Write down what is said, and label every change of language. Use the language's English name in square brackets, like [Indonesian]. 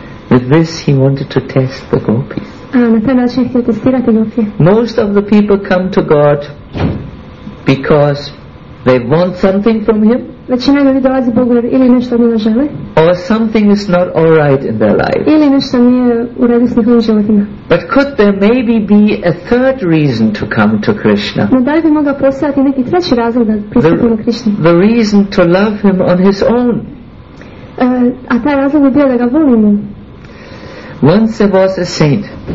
[English] With this he wanted to test the gopis. [Croatian] A na taj način htio testirati gopije. [English] Most of the people come to God because they want something from him. [Croatian] Većina ljudi dolazi Bogu jer ili nešto od njega žele. [English] Or something is not all right in their life. [Croatian] Ili nešto nije u redu s njihovim životima. [English] But could there maybe be a third reason to come to Krishna? [Croatian] No, da li bi mogao postojati neki treći razlog da pristupimo Krishna? [English] The reason to love him on his own. [Croatian] A taj razlog bi bio da ga volimo. [English] Once there was a saint.